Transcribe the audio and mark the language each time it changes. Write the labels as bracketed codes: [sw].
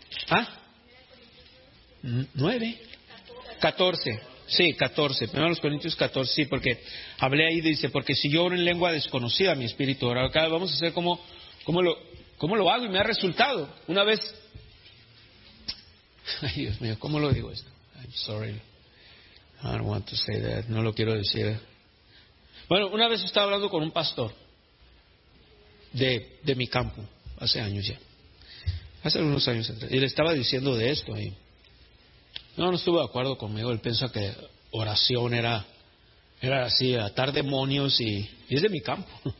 [es] ¿Ah? 9. 14. Sí, 14. Primero los Corintios 14, sí, porque hablé ahí, dice, porque si yo oro en lengua desconocida, mi espíritu ora. Acá vamos a hacer cómo lo hago y me ha resultado. Una vez, ay Dios mío, ¿cómo lo digo esto? [en] I'm sorry, I don't want to say that, [es] no lo quiero decir. Bueno, una vez estaba hablando con un pastor de mi campo, hace años ya, hace unos años atrás, y le estaba diciendo de esto ahí. No estuvo de acuerdo conmigo. Él pensó que oración era así, atar demonios y es de mi campo.